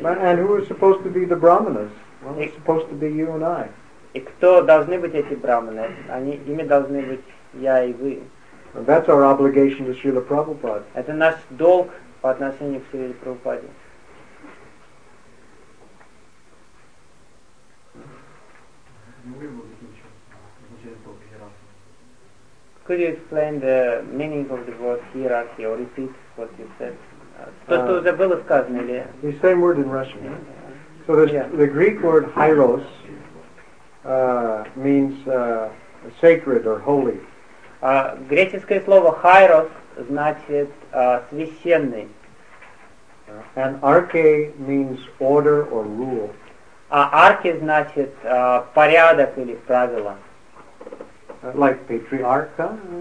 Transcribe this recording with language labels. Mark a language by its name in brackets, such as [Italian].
[English] And who is supposed to be the brahmanas? Well, it's supposed to be you and I. [Russian] И кто должны быть эти брахманы? Они, ими должны быть я и вы. [English] And that's our obligation to Srila Prabhupada. [Russian] Это наш долг по отношению к Шриле Прабхупаде. [English] Could you explain the meaning of the word hierarchy or repeat what you said? The same word in Russian. Yeah. So the Greek word hieros means sacred or holy. [Russian] Греческое слово hieros значит священный. [English] And arche means order or rule. [Russian] А арки значит порядок или правило. [English] Like patriarcha.